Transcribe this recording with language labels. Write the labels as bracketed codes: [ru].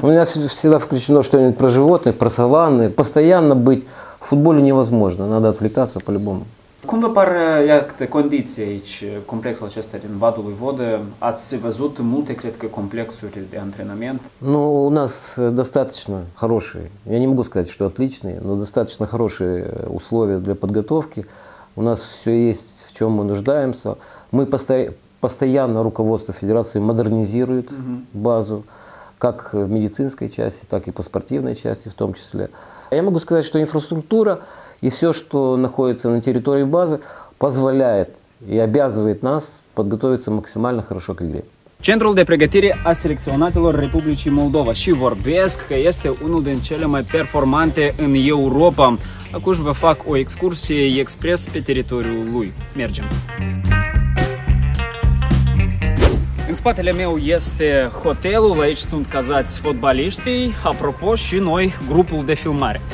[ru] У меня всегда включено что-нибудь про животных, про саванны. Постоянно быть в футболе невозможно. Надо отвлекаться по-любому. [ro] Cum vă par iată condiții aici, complexul acesta din Vadului Vodă? Ați văzut multe, cred că, complexuri de antrenament? [ru] Ну, у нас достаточно хорошие, я не могу сказать, что отличные, но достаточно хорошие условия для подготовки. У нас все есть, в чем мы нуждаемся. Мы постоянно руководство федерации модернизирует базу, как в медицинской части, так и по спортивной части в том числе. Я могу сказать, что инфраструктура и все, что находится на территории базы, позволяет и обязывает нас подготовиться максимально хорошо к игре. [ro] Centrul de pregătire a selecționatelor Republicii Moldova și vorbesc că este unul din cele mai performante în Europa. Acum vă fac o excursie expres pe teritoriul lui. Mergem! În spatele meu este hotelul, aici sunt cazați fotbaliștii, apropo și noi grupul de filmare.